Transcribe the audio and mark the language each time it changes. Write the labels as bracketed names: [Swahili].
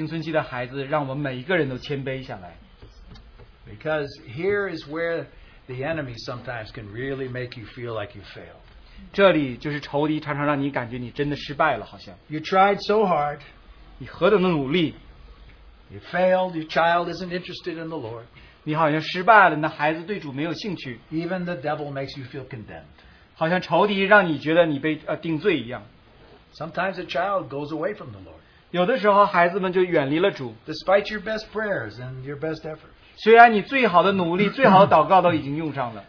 [Chinese] 教养青春期的孩子，让我们每一个人都谦卑下来。 [English] Because here is where the enemy sometimes can really make you feel like you failed. [Chinese] 这里就是仇敌常常让你感觉你真的失败了，好像。 [English] You tried so hard. [Chinese] 你何等的努力。 [English] You failed. Your child isn't interested in the Lord. [Chinese] 你好像失败了，那孩子对主没有兴趣。 [English] Even the devil makes you feel condemned. [Chinese] 好像仇敌让你觉得你被定罪一样。 [English] Sometimes a child goes away from the Lord. [Chinese] 有的时候孩子们就远离了主。 [English] Despite your best prayers and your best efforts. [Chinese] 虽然你最好的努力，最好的祷告都已经用上了。